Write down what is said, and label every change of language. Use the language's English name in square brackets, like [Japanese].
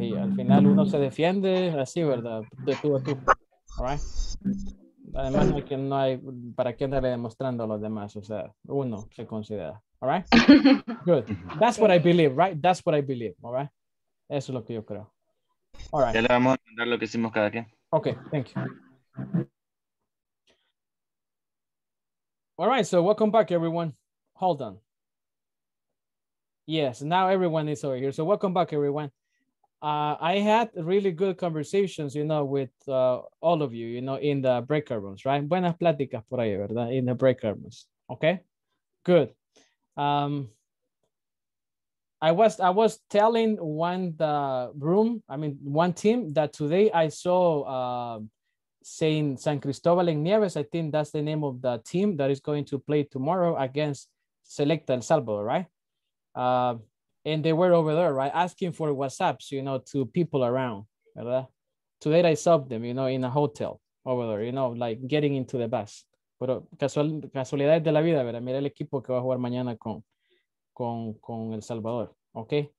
[Spanish] Y al final uno se defiende así, ¿verdad? De tú a tú. Right? Además, no hay, que, no hay para qué andarle demostrando a los demás. O sea, uno se considera. [English] All right? Good. That's what I believe, right? That's what I believe. All right? [Spanish] Eso es lo que yo creo. [English] All right. [Spanish] Ya le vamos a mandar lo que hicimos cada quien. [English] Okay, thank you. All right, so welcome back, everyone. Hold on. Yes, now everyone is over here. So welcome back, everyone. I had really good conversations, you know, with all of you, you know, in the breakout rooms, right? [Spanish] Buenas pláticas por ahí, ¿verdad? [English] In the breakout rooms. Okay, good. I was telling one team that today I saw Saint San Cristóbal en Nieves. I think that's the name of the team that is going to play tomorrow against Selecta El Salvador, right? And they were over there, right, asking for WhatsApps, you know, to people around, ¿verdad? Today I saw them, you know, in a hotel over there, you know, like getting into the bus. [Spanish] Pero casualidades de la vida, ¿verdad? Mira el equipo que va a jugar mañana con El Salvador, okay?